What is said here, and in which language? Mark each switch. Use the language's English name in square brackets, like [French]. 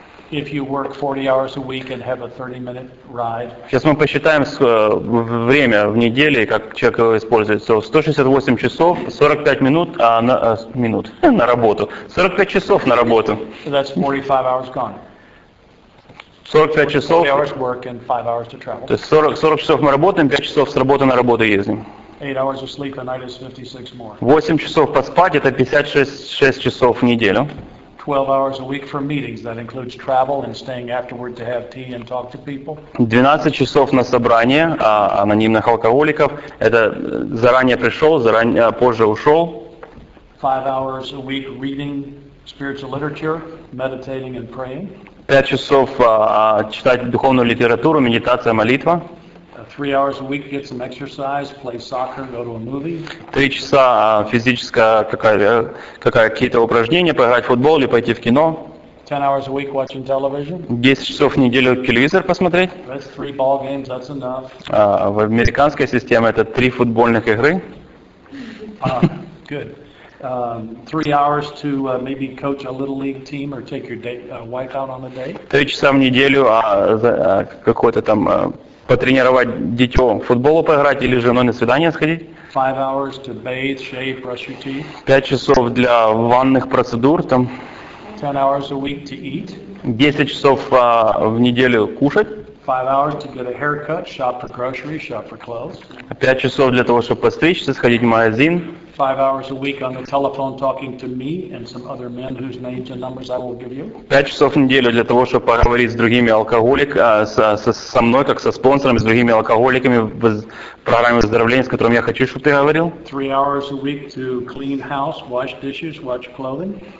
[English] if you work 40 hours a week and have a 30-minute ride. [Russian] Сейчас мы посчитаем время в неделе, как человек использует. 168 часов, 45 минут, минут на работу. 45 часов на работу. [English] That's 45 hours gone. [Russian] 45 часов. [English] 40 hours work and 5 hours to travel. [Russian] То есть 40 часов мы работаем, 5 часов с работы на работу ездим. [English] 8 hours of sleep a night is 56 more. [Russian] 8 часов поспать — это 56 часов в неделю. [English] 12 hours a week for meetings, that includes travel and staying afterward to have tea and talk to people. [Russian] 12 часов на собрание анонимных алкоголиков — это заранее пришел, заранее позже ушел. [English] 5 hours a week reading spiritual literature, meditating and praying. [Russian] 5 часов читать духовную литературу, медитация, молитва. [English] 3 hours a week get some exercise, play soccer, go to a movie. [Russian] 3 часа физическое какие-то упражнения, поиграть в футбол или пойти в кино. [English] 10 hours a week watching television. [Russian] 10 часов в неделю телевизор посмотреть. [English] That's 3 ball games, that's enough. [Russian] В американской системе это 3 футбольных игры. [English] Good. 3 hours to maybe coach a little league team or take your wife out on a date. [Russian] 3 часа в неделю какой-то там потренировать дитё, в футболу поиграть или с женой на свидание сходить. [English] 5 hours to bathe, shave, brush your teeth. [Russian] 5 часов для ванных процедур там. [English] 10 hours a week to eat. [Russian] 10 часов в неделю кушать. [English] 5 hours to get a haircut, shop for groceries, shop for clothes. [Russian] 5 часов для того, чтобы постричься, сходить в магазин. [English] 5 hours a week on the telephone talking to me and some other men whose names and numbers I will give you. [Russian] 5 часов в неделю для того, чтобы поговорить с другими со мной, как со спонсором, с другими алкоголиками в программе выздоровления, с которым я хочу, чтобы ты говорил. [English] 3 hours a week to clean house, wash dishes, wash clothing.